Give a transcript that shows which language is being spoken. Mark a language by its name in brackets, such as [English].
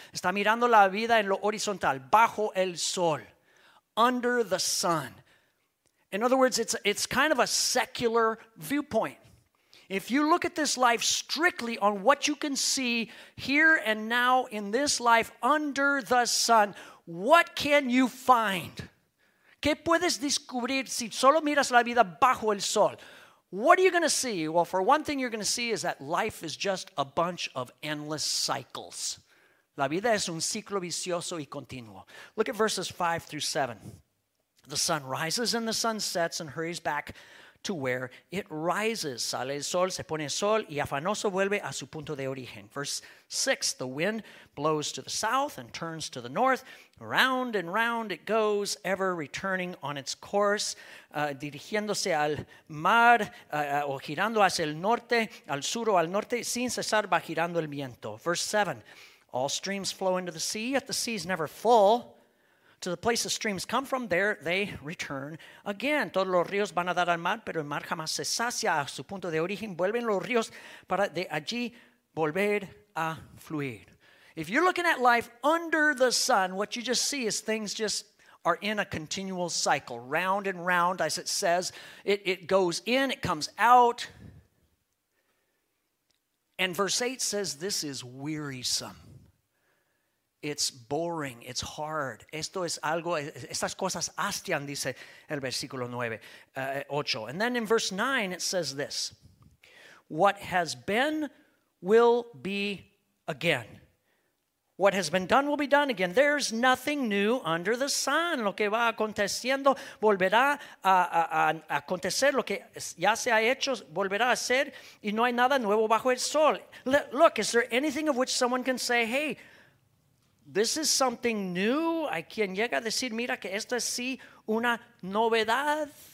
[Spanish] Está mirando la vida en lo horizontal, bajo el sol, [English] under the sun. In other words, it's kind of a secular viewpoint. If you look at this life strictly on what you can see here and now in this life under the sun, what can you find? [Spanish] ¿Qué puedes descubrir si solo miras la vida bajo el sol? [English] What are you going to see? Well, for one thing, you're going to see is that life is just a bunch of endless cycles. [Spanish] La vida es un ciclo vicioso y continuo. [English] Look at verses 5 through 7. The sun rises and the sun sets and hurries back to where it rises. [Spanish] Sale el sol, se pone el sol, y afanoso vuelve a su punto de origen. [English] Verse 6, the wind blows to the south and turns to the north. Round and round it goes, ever returning on its course, [Spanish] dirigiéndose al mar, o girando hacia el norte, al sur o al norte, sin cesar va girando el viento. [English] Verse 7, all streams flow into the sea, yet the sea is never full. To the place the streams come from, there they return again. [Spanish] Todos los ríos van a dar al mar, pero el mar jamás se sacia a su punto de origen. Vuelven los ríos para de allí volver a fluir. [English] If you're looking at life under the sun, what you just see is things just are in a continual cycle. Round and round, as it says, it goes in, it comes out. And verse 8 says this is wearisome. It's boring, it's hard. Esto es algo, estas cosas hastian, dice el versículo 8. And then in verse 9, it says this. What has been will be again. What has been done will be done again. There's nothing new under the sun. [Spanish] Lo que va aconteciendo volverá a acontecer. Lo que ya se ha hecho volverá a ser. Y no hay nada nuevo bajo el sol. [English] Look, is there anything of which someone can say, hey, this is something new? [Spanish] Hay quien llega a decir, mira, que esto es sí una novedad.